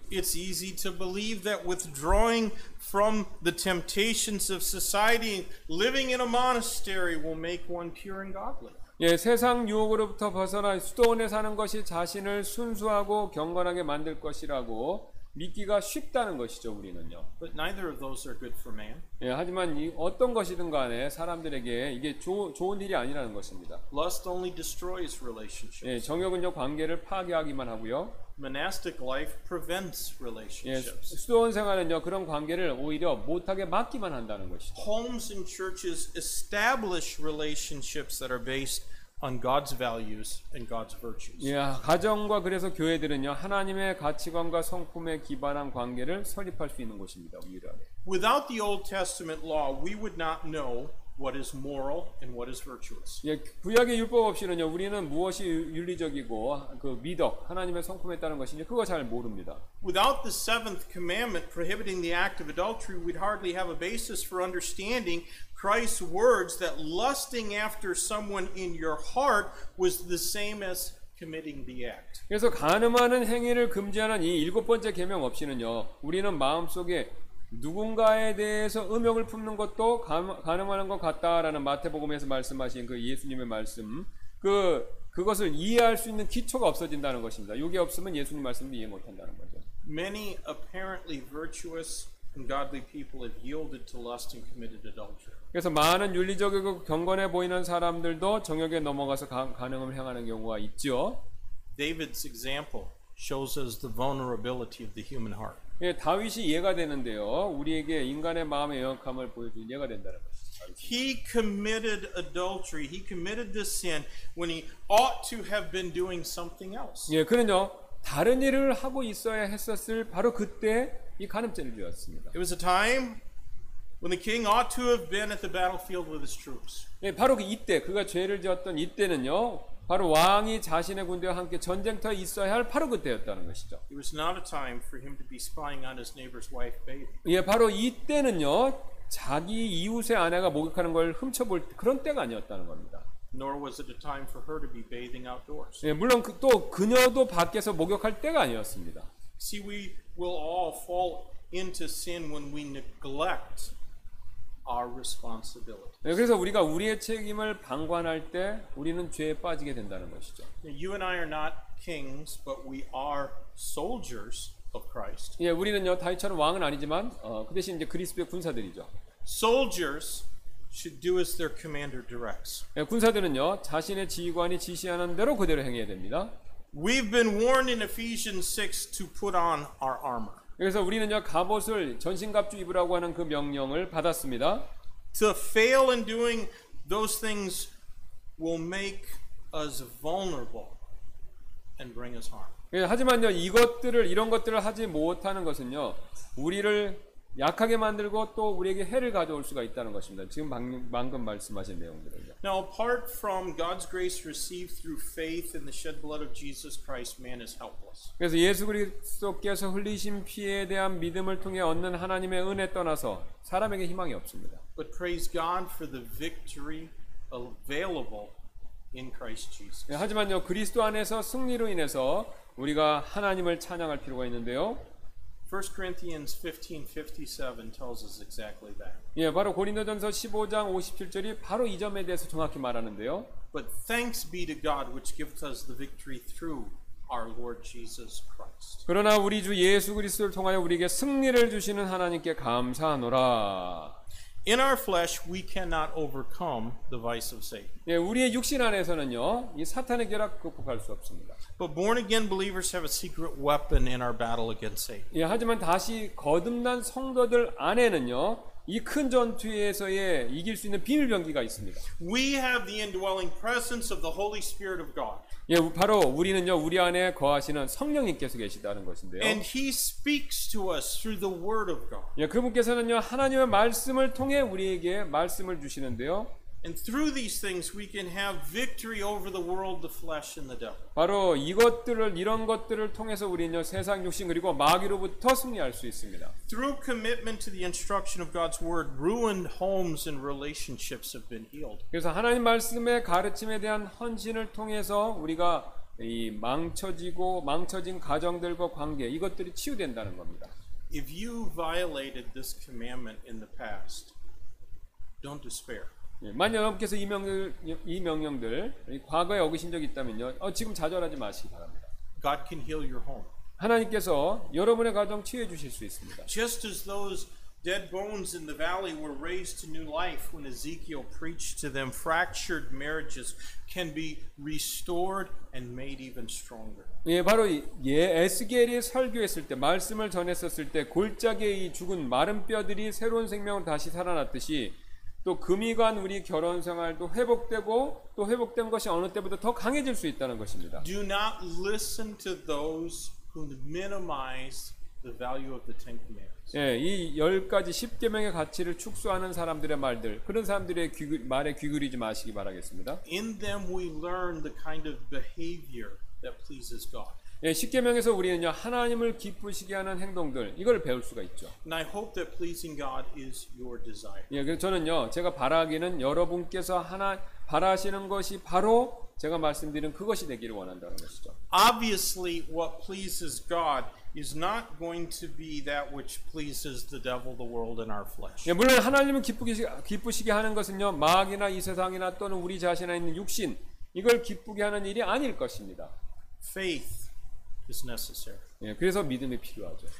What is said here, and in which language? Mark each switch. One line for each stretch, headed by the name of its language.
English: It's easy to believe that withdrawing from the temptations of society, living in a monastery will make one pure and godly.
Korean: 예, 세상 유혹으로부터 벗어나 수도원에 사는 것이 자신을 순수하고 경건하게 만들 것이라고 믿기가 쉽다는 것이죠, 우리는요.
English: But neither of those are good for man.
Korean: 예, 하지만 이 어떤 것이든 간에 사람들에게 이게 좋은 일이 아니라는 것입니다.
English: Lust only destroys relationships.
Korean: 예, 정욕은요 관계를 파괴하기만 하고요.
English: Monastic life prevents relationships.
Korean: 예, 수도원 생활은요 그런 관계를 오히려 못하게 막기만 한다는 것이죠.
English: Homes and churches establish relationships that are based on God's values and God's virtues.
Korean: Yeah, 가정과 그래서 교회들은요 하나님의 가치관과 성품에 기반한 관계를 설립할 수 있는 곳입니다.
English: Without the Old Testament law, we would not know what is moral and what is virtuous.
Korean: 예, 구약의 율법 없이는요 우리는 무엇이 윤리적이고 그 미덕, 하나님의 성품에 따른 것인지 그거 잘 모릅니다.
English: Without the seventh commandment prohibiting the act of adultery, we'd hardly have a basis for understanding Christ's words that lusting after someone in your heart was the same as committing the act.
Korean: 그래서 간음하는 행위를 금지하는 이 일곱 번째 계명 없이는요, 우리는 마음속에 누군가에 대해서 음욕을 품는 것도 간음하는 것 같다라는 마태복음에서 말씀하신 그 예수님의 말씀, 그것을 이해할 수 있는 기초가 없어진다는 것입니다. 이게 없으면 예수님 말씀도 이해 못한다는 거죠.
English: Many apparently virtuous and godly people have yielded to lust and committed adultery.
Korean: 그래서 많은 윤리적이고 경건해 보이는 사람들도 정욕에 넘어가서 간음을 행하는 경우가 있죠.
English: David's example shows us the vulnerability of the human heart.
Korean: 예, 다윗이 예가 되는데요. 우리에게 인간의 마음의 연약함을 보여주는 예가 된다는 것.
English: He committed adultery. He committed this sin when he ought to have been doing something else.
Korean: 예, 그는요 다른 일을 하고 있어야 했었을 바로 그때 이 간음죄를 지었습니다.
English: It was a time when the king ought to have been at the battlefield with his troops.
Korean: 예, 바로 이때 그가 죄를 지었던 이때는요, 바로 왕이 자신의 군대와 함께 전쟁터에 있어야 할 바로 그때였다는 것이죠.
English: It was not a time for him to be spying on his neighbor's wife bathing.
Korean: 예, 바로 이때는요, 자기 이웃의 아내가 목욕하는 걸 훔쳐볼 그런 때가 아니었다는 겁니다.
English: Nor was it a time for her to be bathing outdoors.
Korean: 예, 물론 또 그녀도 밖에서 목욕할 때가 아니었습니다.
English: See, we will all fall into sin when we neglect our responsibility.
Korean: 네, 그래서 우리가 우리의 책임을 방관할 때 우리는 죄에 빠지게 된다는 것이죠.
English: You and I are not kings, but we are soldiers of Christ.
Korean: 예, 우리는요 다윗처럼 왕은 아니지만 그 대신 이제 그리스도의 군사들이죠.
English: Soldiers should do as their commander directs.
Korean: 예, 군사들은요 자신의 지휘관이 지시하는 대로 그대로 행해야 됩니다.
English: We've been warned in Ephesians 6 to put on our armor.
Korean: 그래서 우리는요 갑옷을 전신갑주 입으라고 하는 그 명령을 받았습니다.
English: To fail in doing those things will make us vulnerable and bring us harm.
Korean: 예, 하지만요 이런 것들을 하지 못하는 것은요 우리를 약하게 만들고 또 우리에게 해를 가져올 수가 있다는 것입니다. 지금 방금 말씀하신 내용들이죠.
English: Now apart from God's grace received through faith in the shed blood of Jesus Christ, man is helpless.
Korean: 그래서 예수 그리스도께서 흘리신 피에 대한 믿음을 통해 얻는 하나님의 은혜 떠나서 사람에게 희망이 없습니다.
English: But praise God for the victory available in Christ Jesus.
Korean: 예, 하지만요 그리스도 안에서 승리로 인해서 우리가 하나님을 찬양할 필요가 있는데요.
English: 1 Corinthians 15:57 tells us exactly that.
Korean: 예, 바로 고린도전서 15장 57절이 바로 이 점에 대해서 정확히 말하는데요.
English: But thanks be to God which gives us the victory through our Lord Jesus Christ.
Korean: 그러나 우리 주 예수 그리스도를 통하여 우리에게 승리를 주시는 하나님께 감사하노라.
English: In our flesh, we cannot overcome the vice of Satan.
Korean: 예, 우리의 육신 안에서는요, 이 사탄의 계략 극복할 수 없습니다.
English: But born again believers have a secret weapon in our battle against Satan.
Korean: 예, 하지만 다시 거듭난 성도들 안에는요, 이 큰 전투에서의 이길 수 있는 비밀 병기가 있습니다.
English: We have the indwelling presence of the Holy Spirit of God.
Korean: 예, 바로 우리는요, 우리 안에 거하시는 성령님께서 계시다는 것인데요.
English: And he speaks to us through the word of God.
Korean: 예, 그분께서는요, 하나님의 말씀을 통해 우리에게 말씀을 주시는데요.
English: And through these things we can have victory over the world, the flesh and the devil.
Korean: 바로 이것들을 이런 것들을 통해서 우리는요, 세상 육신 그리고 마귀로부터 승리할 수 있습니다.
English: Through commitment to the instruction of God's word, ruined homes and relationships have been healed.
Korean: 그래서 하나님 말씀의 가르침에 대한 헌신을 통해서 우리가 이 망쳐지고 망쳐진 가정들과 관계 이것들이 치유된다는 겁니다.
English: If you violated this commandment in the past, don't despair.
Korean: 만약 여러분께서 이 명령들 과거에 어기신 적이 있다면요, 지금 좌절하지 마시기 바랍니다.
English: God can heal your home.
Korean: 하나님께서 여러분의 가정 치유해 주실 수 있습니다.
English: Just as those dead bones in the valley were raised to new life when Ezekiel preached to them, fractured marriages can be restored and made even stronger.
Korean: 예, 바로 예 에스겔이 설교했을 때 말씀을 전했었을 때 골짜기에 이 죽은 마른 뼈들이 새로운 생명을 다시 살아났듯이. 또 금이 간 우리 결혼 생활도 회복되고 또 회복된 것이 어느 때보다 더 강해질 수 있다는 것입니다.
English: Do not listen to those who minimize the value of the Ten Commandments.
Korean: 예, 이 열 가지 십계명의 가치를 축소하는 사람들의 말들, 그런 사람들의 말에 귀 기울이지 마시기 바라겠습니다.
English: In them we learn the kind of behavior that pleases God.
Korean: 예, 십계명에서 우리는요, 하나님을 기쁘시게 하는 행동들 이걸 배울 수가 있죠.
English: And I hope that pleasing God is your desire.
Korean: 예, 그래서 저는요, 제가 바라기는 여러분께서 하나 바라시는 것이 바로 제가 말씀드린 그것이 되기를 원한다는 것이죠.
English: Obviously, what pleases God is not going to be that which pleases the devil, the world, and our flesh.
Korean: 예, 물론 하나님을 기쁘시게 하는 것은요, 마귀나 이 세상이나 또는 우리 자신에 있는 육신 이걸 기쁘게 하는 일이 아닐 것입니다.
English: Faith. Is necessary.
Korean: 예, 그래서 믿음이 필요하죠.